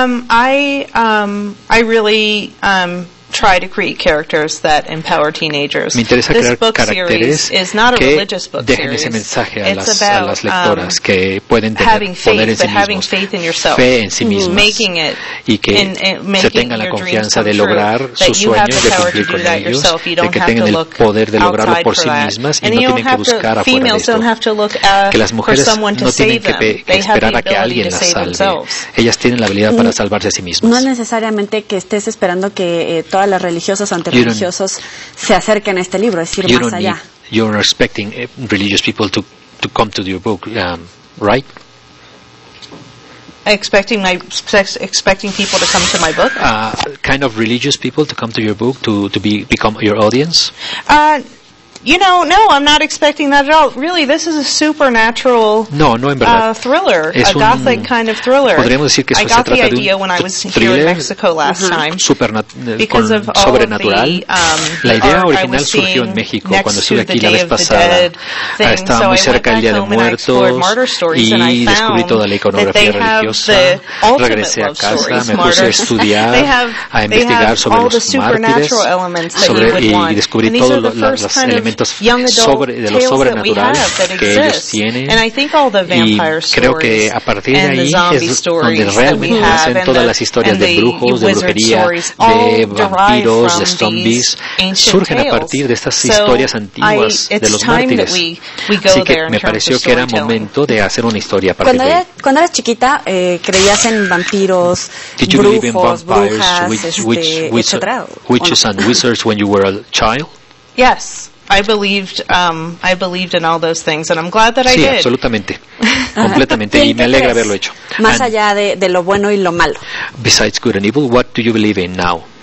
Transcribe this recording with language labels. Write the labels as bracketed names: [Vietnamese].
[English] I really try to create characters that empower teenagers. [Spanish] Me interesa crear caracteres que dejen ese mensaje a las lectoras que pueden tener fe en sí mismas y que se tengan la confianza de lograr sus sueños, de cumplir con ellos, de que tengan el poder de lograrlo por sí mismas y no tienen que buscar afuera de esto. Que las mujeres no tienen que esperar a que alguien las salve. Ellas tienen la habilidad para salvarse a sí mismas. No necesariamente que estés esperando que todas las religiosas o antirreligiosas se acerquen a este libro, es ir más allá. [English] You're expecting religious people to come to your book, right? Expecting people to come to my book? Kind of religious people to come to your book to become your audience? You know, no, I'm not expecting that at all. Really, this is a supernatural thriller, [Spanish] es [English] a gothic kind of thriller. [Spanish] Podríamos decir que [English] I got the idea when I was here in Mexico last time because of sobrenatural. All the art I was seeing next to the Day of the Dead thing. So I went back home and I explored martyr stories and I found that they have the ultimate love stories, martyrs. they have all the supernatural elements that you would want. And these are the first [Spanish] elementos sobre de lo sobrenatural que ellos tienen, y creo que a partir de ahí es donde realmente nacen todas las historias de brujos, de brujería, de vampiros, de zombies, surgen a partir de estas historias antiguas de los mártires. Así que me pareció que era momento de hacer una historia para ti. Cuando eras chiquita, ¿creías en vampiros, brujos, brujas, [English] witches and wizards when you were a child? Yes. I believed in all those things, and I'm glad that I did. [Spanish] Sí, absolutamente, completamente, y me alegra haberlo hecho. Más allá de lo bueno y lo malo. [English] Besides good and evil, what do you believe in now?